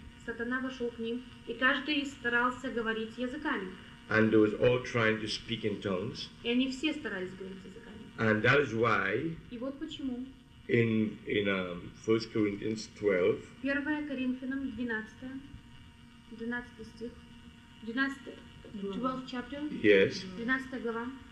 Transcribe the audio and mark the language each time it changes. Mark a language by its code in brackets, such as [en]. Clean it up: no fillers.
[ru] Сатана вошел к ним, и каждый старался говорить языками. [en] And they was all trying to speak in tongues. [ru] И они все старались говорить языками. [en] And that is why. [ru] И вот почему. [en] In 1 Corinthians 12. [ru] 1 Коринфянам 12 глава.